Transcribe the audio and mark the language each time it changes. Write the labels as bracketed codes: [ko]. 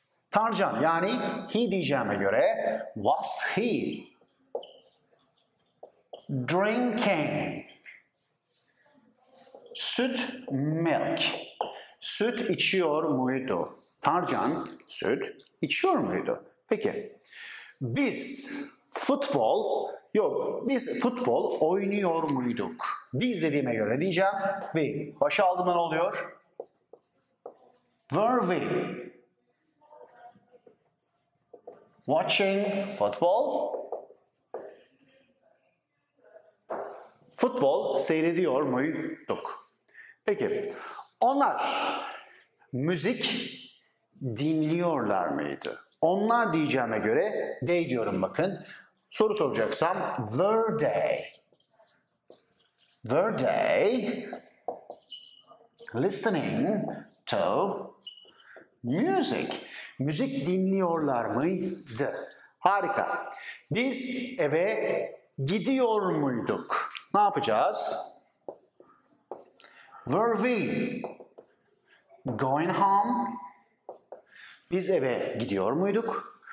[tr] Tarcan, yani he diyeceğime göre [en] was he drinking [tr] süt, milk, süt içiyor muydu? Tarcan süt içiyor muydu? Peki, biz futbol, yok biz futbol oynuyor muyduk? Biz dediğime göre diyeceğim we. Başa aldığımda ne oluyor? [en] Were we watching football? [tr] Futbol seyrediyor muyduk? Peki, onlar müzik dinliyorlar mıydı? Onlar diyeceğime göre they diyorum bakın. Soru soracaksam [en] were they? Were they listening to music? [tr] Müzik dinliyorlar mıydı? Harika. Biz eve gidiyor muyduk? Ne yapacağız? [en] Were we going home? [tr] Biz eve gidiyor muyduk?